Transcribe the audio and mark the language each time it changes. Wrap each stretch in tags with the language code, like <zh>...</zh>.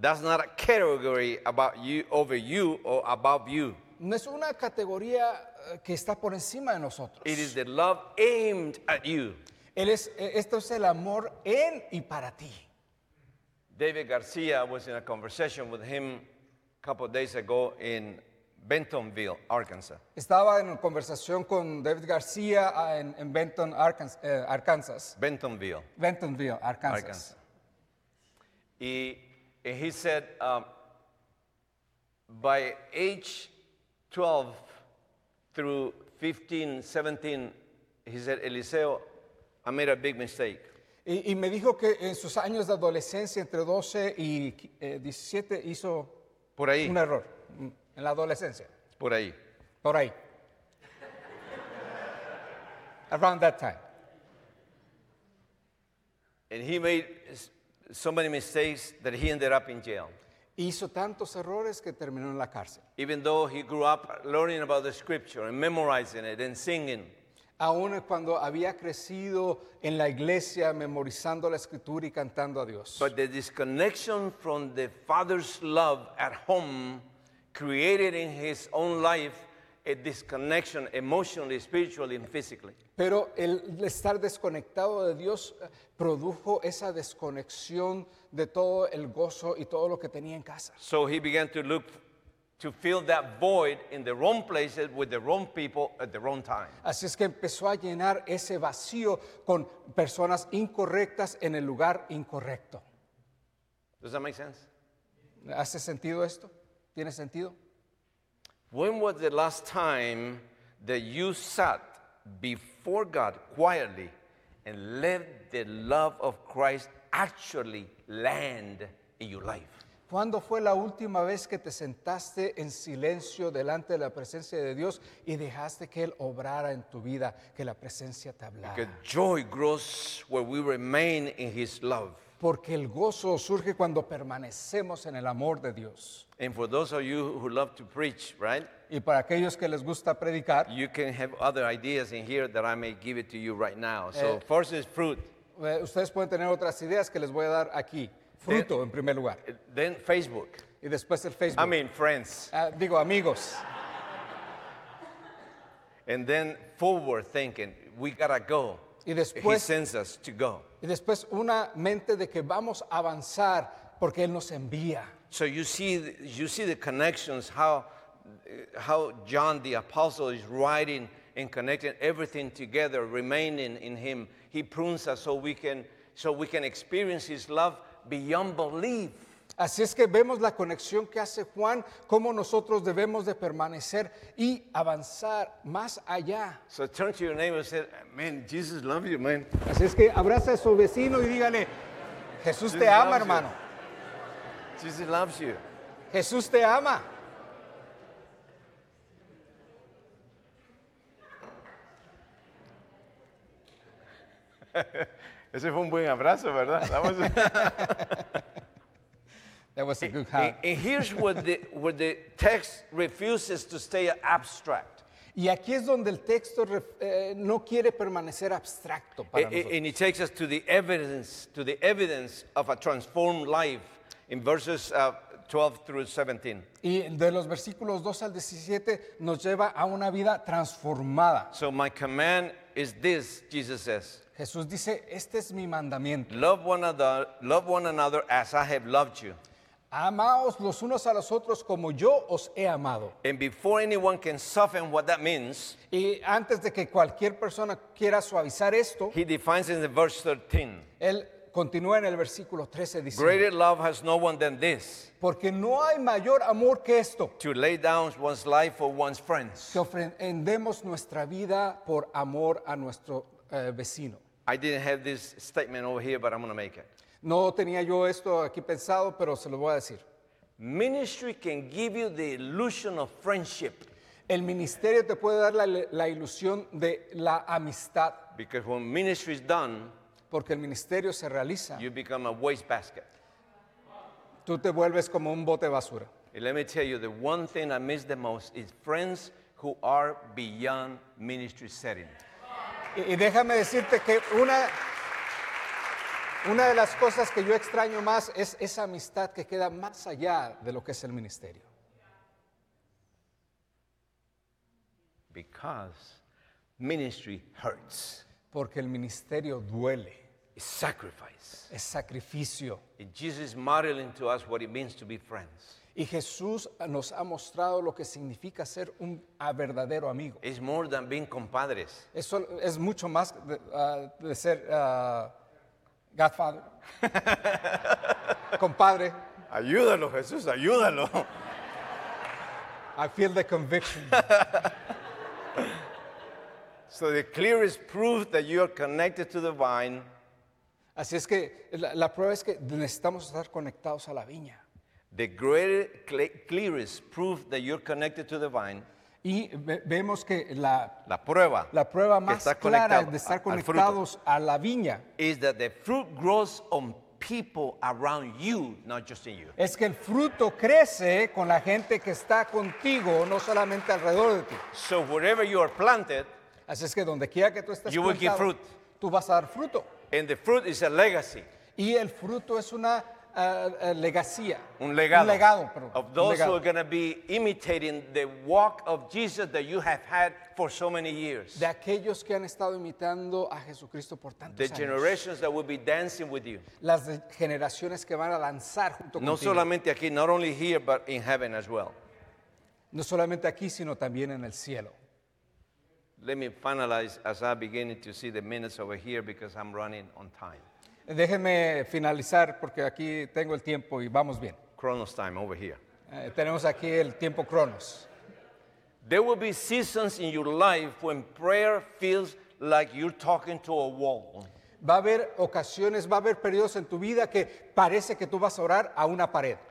<en>That's not a category about you, over you, or above you.</en> <es>No es una categoría que está por encima de nosotros.</es> <en>It is the love aimed at you.</en> <es>Esto es el amor en y para ti.</es> <en>David García, I was in a conversation with him a couple of days ago in Bentonville, Arkansas.</en> <es>Estaba en conversación con David García en Benton, Arkansas.</es> <en>Bentonville, Arkansas. Arkansas. And he said, by age 12 through 15, 17, he said, Eliseo, I made a big mistake.</en> <es>Y me dijo que en sus años de adolescencia, entre 12 y 17, hizo por ahí. Un error en la adolescencia. Por ahí. Por ahí.</es> <en>Around that time. And he made so many mistakes that he ended up in jail.</en> <es>Hizo tantos errores que terminó en la cárcel.</es> <en>Even though he grew up learning about the scripture and memorizing it and singing.</en> <es>Aún cuando había crecido en la iglesia memorizando la escritura y cantando a Dios.</es> <en>But the disconnection from the Father's love at home created in his own life a disconnection emotionally, spiritually, and physically.</en> <es>Pero el estar desconectado de Dios produjo esa desconexión de todo el gozo y todo lo que tenía en casa.</es> <en>So he began to look to fill that void in the wrong places with the wrong people at the wrong time.</en> <es>Así es que empezó a llenar ese vacío con personas incorrectas en el lugar incorrecto.</es> <en>Does that make sense?</en> <es>¿Hace sentido esto? ¿Tiene sentido?</es> <en>When was the last time that you sat before God quietly and let the love of Christ actually land in your life?</en> <es>¿Cuándo fue la última vez que te sentaste en silencio delante de la presencia de Dios y dejaste que Él obrara en tu vida, que la presencia te hablara?</es> <en>Because joy grows where we remain in His love.</en> <es>Porque el gozo surge cuando permanecemos en el amor de Dios.</es> <en>And for those of you who love to preach, right?</en> <es>Y para aquellos que les gusta predicar.</es> <en>You can have other ideas in here that I may give it to you right now. So first is fruit.</en> <es>Ustedes pueden tener otras ideas que les voy a dar aquí. Fruto, en primer lugar.</es> <en>Then Facebook.</en> <es>Y después el Facebook.</es> <en>I mean friends.</en> <es>Digo amigos.</es> <en>And then forward thinking. We gotta go.</en> <es>Y después,</es> <en>He sends us to go.</en> <es>Y después una mente de que vamos a avanzar porque Él nos envía.</es> <en>So you see the connections, how John the Apostle is writing and connecting everything together, remaining in Him. He prunes us so we can experience His love beyond belief.</en> <es>Así es que vemos la conexión que hace Juan, cómo nosotros debemos de permanecer y avanzar más allá.</es> <en>So turn to your neighbor and say, man, Jesus loves you, man.</en> <es>Así es que abraza a su vecino y dígale, Jesús te ama, hermano.</es> <en>Jesus loves you.</en> <es>Jesús te ama. Ese fue un buen abrazo, ¿verdad? Vamos.</es> <en>That was a good hug. And here's where the text refuses to stay abstract.</en> <es>Y aquí es donde el texto no quiere permanecer abstracto para nosotros.</es> <en>And it takes us to the evidence of a transformed life in verses 12 through 17.</en> <es>Y de los versículos 12 al 17 nos lleva a una vida transformada.</es> <en>So my command is this, Jesus says.</en> <es>Jesús dice, este es mi mandamiento.</es> <en>Love one another as I have loved you.</en> <es>Amaos los unos a los otros como yo os he amado.</es> <en>And before anyone can soften what that means,</en> <es>y antes de que cualquier persona quiera suavizar esto,</es> <en>he defines in the verse 13.</en> <es>Él continúa en el versículo 13 diciendo,</es> <en>greater love has no one than this.</en> <es>Porque no hay mayor amor que esto.</es> <en>To lay down one's life for one's friends.</en> <es>Que ofrendemos nuestra vida por amor a nuestro vecino.</es> <en>I didn't have this statement over here, but I'm going to make it.</en> <es>No tenía yo esto aquí pensado, pero se lo voy a decir.</es> <en>Ministry can give you the illusion of friendship.</en> <es>El ministerio te puede dar la ilusión de la amistad.</es> <en>Because when ministry is done,</en> <es>porque el ministerio se realiza,</es> <en>you become a waste basket.</en> <es>Tú te vuelves como un bote de basura.</es> <en>And let me tell you, the one thing I miss the most is friends who are beyond ministry setting.</en> <es>Y déjame decirte que una de las cosas que yo extraño más es esa amistad que queda más allá de lo que es el ministerio.</es> <en>Because ministry hurts.</en> <es>Porque el ministerio duele.</es> <en>It's sacrifice.</en> <es>Es sacrificio.</es> <en>And Jesus is modeling to us what it means to be friends.</en> <es>Y Jesús nos ha mostrado lo que significa ser un verdadero amigo.</es> <en>It's more than being compadres.</en> <es>Eso es mucho más de ser Godfather. Compadre. Ayúdalo, Jesús, ayúdalo.</es> <en>I feel the conviction. So the clearest proof that you are connected to the vine.</en> <es>Así es que la prueba es que necesitamos estar conectados a la viña.</es> <en>The greatest, clearest proof that you're connected to the vine.</en> <es>Y vemos que la prueba más clara de estar conectados a la viña</es> <en>is that the fruit grows on people around you, not just in you.</en> <es>Es que el fruto crece con la gente que está contigo, no solamente alrededor de ti.</es> <en>So wherever you are planted,</en> <es>así es que donde quiera que tú estés</es> <en>you will give fruit.</en> <es>Tú vas a dar fruto.</es> <en>And the fruit is a legacy.</en> <es>Y el fruto es una legacía. Un legado.</es> <en>Of those who are going to be imitating the walk of Jesus that you have had for so many years.</en> <es>De aquellos que han estado imitando a Jesucristo por tantos años.</es> <en>The generations that will be dancing with you.</en> <es>Las generaciones que van a danzar junto contigo. No solamente aquí,</es> <en>not only here, but in heaven as well.</en> <es>No solamente aquí, sino también en el cielo.</es> <en>Let me finalize as I begin to see the minutes over here because I'm running on time.</en> <es>Déjenme finalizar porque aquí tengo el tiempo y vamos bien.</es> <en>Chronos time over here.</en> <es>Tenemos aquí el tiempo Chronos.</es> <en>There will be seasons in your life when prayer feels like you're talking to a wall.</en> <es>Va a haber ocasiones, va a haber periodos en tu vida que parece que tú vas a orar a una pared.</es>